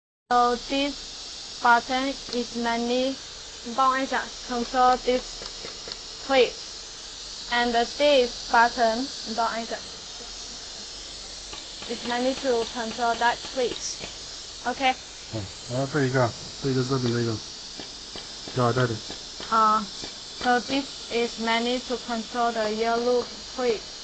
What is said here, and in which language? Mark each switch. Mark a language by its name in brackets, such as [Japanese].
[English] So this button is mainly, [Chinese] 帮我一下 [English] control this clip. And this button, [Chinese] 帮我一下 [English] is mainly to control that clip. Okay. [Chinese] 好，然后这一个，这一个这边这个，要带的。 [English] So this is mainly to control the yellow clip.